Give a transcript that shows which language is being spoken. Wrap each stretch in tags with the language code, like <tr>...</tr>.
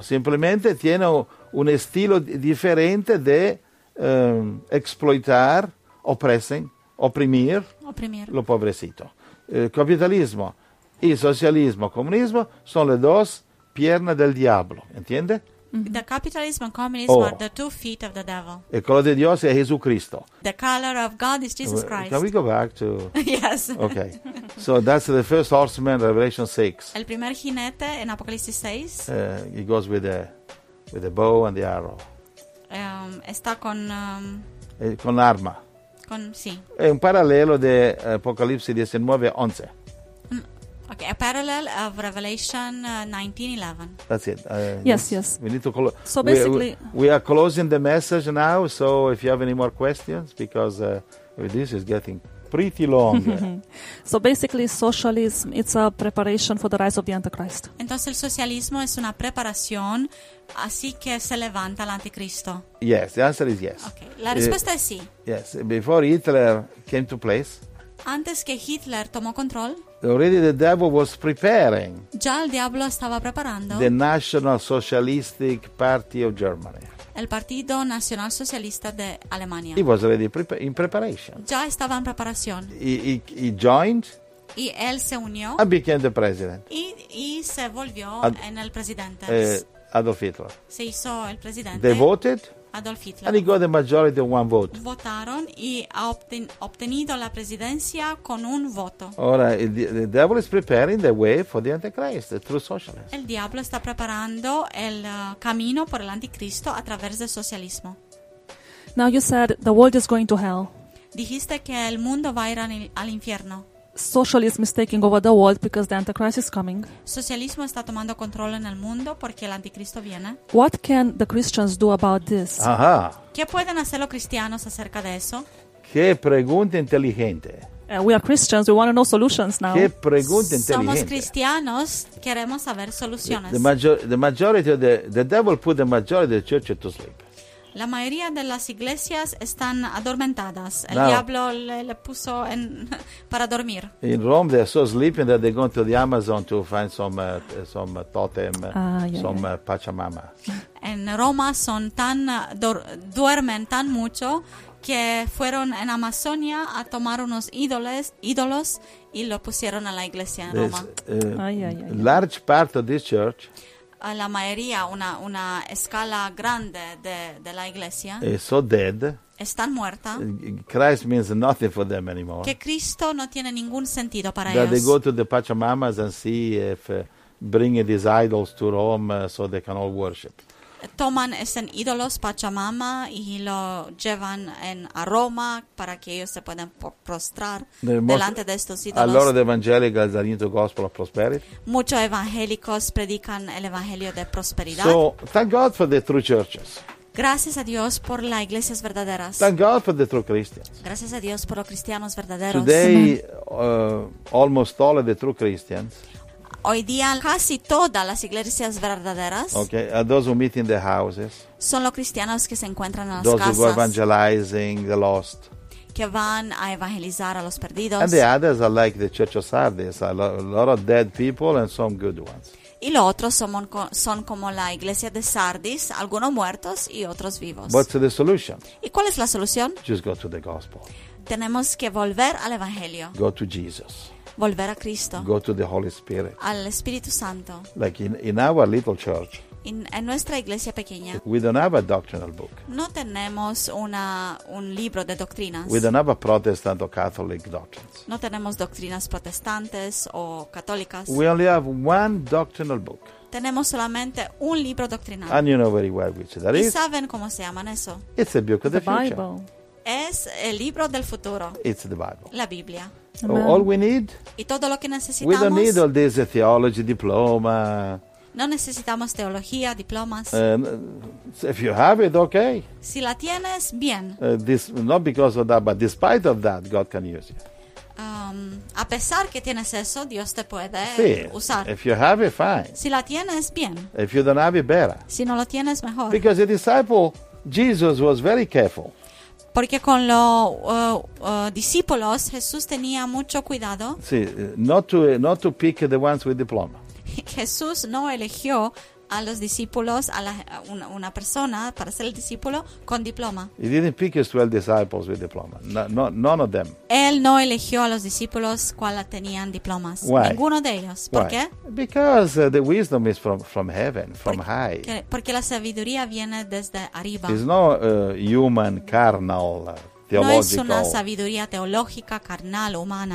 <es>Simplemente tiene un estilo diferente de explotar, oprimir lo pobrecito. El capitalismo y el socialismo, el comunismo, son las dos piernas del diablo. ¿Entiende?</es> <en>The capitalism and communism are the two feet of the devil.</en> <es>El color de Dios es Jesucristo.</es> <en>The color of God is Jesus Christ. Can we go back to... yes. Okay. So that's the first horseman, Revelation 6.</en> <es>El primer jinete en Apocalipsis 6.</es> <en>He goes with the bow and the arrow.</en> <es>Está con... con arma. Con, sí. Es un paralelo de Apocalipsis 19:11.</es> <en>Okay, a parallel of Revelation 19:11. That's it. Yes. We need to close. So basically... We are closing the message now, so if you have any more questions, because this is getting pretty long. So basically, socialism, it's a preparation for the rise of the Antichrist.</en> <es>Entonces el socialismo es una preparación, así que se levanta el Anticristo.</es> <en>Yes, the answer is yes.</en> <es>Okay, la respuesta es sí.</es> <en>Yes, before Hitler came to place...</en> <es>Antes que Hitler tomó control...</es> <en>Already the devil was preparing.</en> <it>Già il diavolo stava preparando.</it> <en>The National Socialistic Party of Germany.</en> <it>Il Partito Nazionale Socialista di Alemania.</it> <en>He was already in preparation.</en> <it>Già stava in preparazione.</it> <en>He joined.</en> <es>Y él se unió.</es> <en>And became the president.</en> <es>Y se volvió en el presidente.</es> <en>Adolf Hitler.</en> <es>Se hizo el presidente.</es> <en>They voted. Adolf Hitler. And he got the majority of one vote.</en> <es>Votaron y ha obtenido la presidencia con un voto.</es> <it>Ora,</it> <en>the devil is preparing the way for the Antichrist through socialism.</en> <es>El diablo está preparando el camino por el anticristo</es> <it>attraverso il socialismo.</it> <en>Now you said the world is going to hell.</en> <es>Dijiste que el mundo va a ir al infierno.</es> <en>Socialism is taking over the world because the Antichrist is coming.</en> <es>Socialismo está tomando control en el mundo porque el anticristo viene.</es> <en>What can the Christians do about this? Aha.</en> <es>¿Qué pueden hacer los cristianos acerca de eso? Qué pregunta inteligente.</es> <en>We are Christians. We want to know solutions now.</en> <es>Qué pregunta inteligente. Somos cristianos. Queremos saber soluciones.</es> <en>The majority of the devil put the majority of the church to sleep.</en> <es>La mayoría de las iglesias están adormentadas. El diablo le puso en para dormir.</es> <en>In Rome they're so sleeping that they go to the Amazon to find some totem, Pachamama.</en> <es>En Roma son tan duermen tan mucho que fueron en Amazonia a tomar unos ídolos y lo pusieron a la iglesia en Roma.</es> <en>Large part of this church.</en> <es>La mayoría, una escala grande de la iglesia.</es> <en>So dead.</en> <es>Están muerta.</es> <en>Christ means nothing for them anymore.</en> <es>Que Cristo no tiene ningún sentido para</es> <en>that</en> <es>ellos.</es> <en>They go to the Pachamamas and see if bring these idols to Rome so they can all worship.</en> <es>Toman esos ídolos Pachamama y lo llevan a Roma para que ellos se puedan prostrar delante de estos ídolos.</es> <it>Allora</it> <en>the evangelicals are into gospel of prosperity.</en> <es>Muchos evangélicos predican el evangelio de prosperidad.</es> <en>So, thank God for the true churches.</en> <es>Gracias a Dios por las iglesias verdaderas.</es> <en>Thank God for the true Christians.</en> <es>Gracias a Dios por los cristianos verdaderos.</es> <en>Today, almost all of the true Christians.</en> <es>Hoy día casi todas las iglesias verdaderas.</es> <en>Okay, those who meet in the houses.</en> <es>Son los cristianos que se encuentran en las</es> <en>those</en> <es>casas.</es> <en>Those who are evangelizing the lost.</en> <es>Que van a evangelizar a los perdidos.</es> <en>And the others are like the Church of Sardis, a lot of dead people and some good ones.</en> <es>Y los otros son como la iglesia de Sardis, algunos muertos y otros vivos.</es> <en>What's the solution?</en> <es>¿Y cuál es la solución?</es> <en>Just go to the gospel.</en> <es>Tenemos que volver al evangelio.</es> <en>Go to Jesus.</en> <es>Volver a Cristo.</es> <en>Go to the Holy Spirit.</en> <es>Al Espíritu Santo.</es> <en>Like in our little church.</en> <es>En nuestra iglesia pequeña.</es> <en>We don't have a doctrinal book.</en> <es>No tenemos un libro de doctrinas.</es> <en>We don't have a Protestant or Catholic doctrines.</en> <es>No tenemos doctrinas protestantes o católicas.</es> <en>We only have one doctrinal book.</en> <es>Tenemos solamente un libro doctrinal.</es> <en>And you know very well which that</en> <es>¿Y</es> <en>is.</en> <es>¿Y saben cómo se llaman eso?</es> <en>It's the book of the future. Bible.</en> <es>Es el libro del futuro.</es> <en>It's the Bible.</en> <es>La Biblia.</es> <en>Amen. All we need.</en> <es>Y todo lo que necesitamos.</es> <en>We don't need all this theology diploma.</en> <es>No necesitamos teología, diplomas.</es> <en>If you have it, okay.</en> <es>Si la tienes, bien.</es> <en>This not because of that, but despite of that, God can use you.</en> <es>A pesar que tienes eso, Dios te puede sí, usar.</es> <en>If you have it, fine.</en> <es>Si la tienes, bien.</es> <en>If you don't have it, better.</en> <es>Si no lo tienes, mejor.</es> <en>Because the disciple Jesus was very careful.</en> <es>Porque con los discípulos Jesús tenía mucho cuidado. Sí,</es> <en>not to pick the ones with diploma.</en> <es>Jesús no eligió a los discípulos a una persona para ser el discípulo con diploma.</es> <en>He didn't pick his 12 disciples with diploma. None of them.</en> <es>Él no eligió a los discípulos cuales tenían diplomas.</es> <en>Why?</en> <es>Ninguno de ellos. ¿Por</es> <en>Why?</en> <es>Qué?</es> <en>Because the wisdom is from heaven, from high.</en> <es>Porque la sabiduría viene desde arriba.</es> <en>It's no human, carnal, theological.</en> <es>No es una sabiduría teológica, carnal, humana.</es>